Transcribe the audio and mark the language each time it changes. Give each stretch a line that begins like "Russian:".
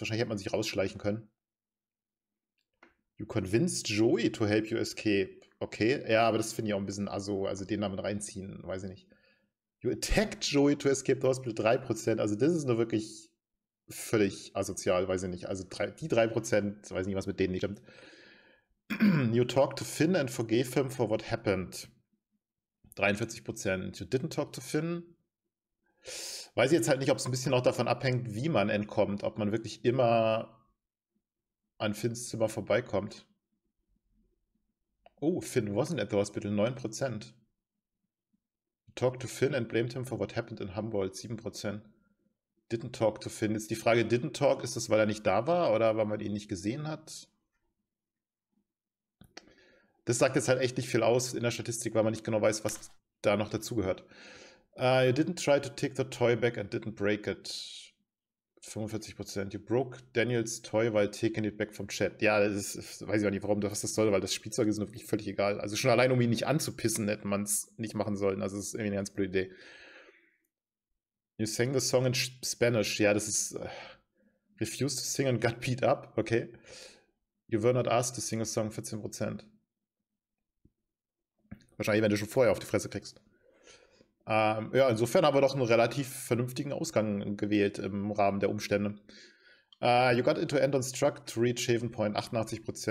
German: Wahrscheinlich hätte man sich rausschleichen können.
English: You convinced Joey to help you escape.
German: Okay, ja, aber das finde ich auch ein bisschen asso, also den damit reinziehen, weiß ich nicht.
English: You attacked Joey to escape the hospital, 3%.
German: Also das ist nur wirklich völlig asozial, weiß ich nicht. Also die 3%, weiß ich nicht, was mit denen nicht stimmt.
English: You talk to Finn and forgave him for what happened. 43%. You didn't talk to Finn.
German: Weiß ich jetzt halt nicht, ob es ein bisschen auch davon abhängt, wie man entkommt. Ob man wirklich immer an Finns Zimmer vorbeikommt.
English: Oh, Finn wasn't at the hospital. 9%. You talk to Finn and blamed him for what happened in Humboldt. 7%. Didn't talk to Finn.
German: Jetzt die Frage,
English: didn't talk,
German: ist das, weil er nicht da war oder weil man ihn nicht gesehen hat? Das sagt jetzt halt echt nicht viel aus in der Statistik, weil man nicht genau weiß, was da noch dazugehört.
English: You didn't try to take the toy back and didn't break it. 45%. You broke Daniels toy while taking it back from Chad.
German: Ja, das ist, weiß ich auch nicht, warum das das soll, weil das Spielzeug ist wirklich völlig egal. Also schon allein, um ihn nicht anzupissen, hätte man es nicht machen sollen. Also das ist irgendwie eine ganz blöde Idee.
English: You sang the song in Spanish.
German: Ja, das ist
English: refused to sing and got beat up. Okay. You were not asked to sing a song. 14%.
German: Wahrscheinlich, wenn du schon vorher auf die Fresse kriegst. Ja, insofern haben wir doch einen relativ vernünftigen Ausgang gewählt im Rahmen der Umstände.
English: You got into Anton's truck to reach Haven Point, 88%.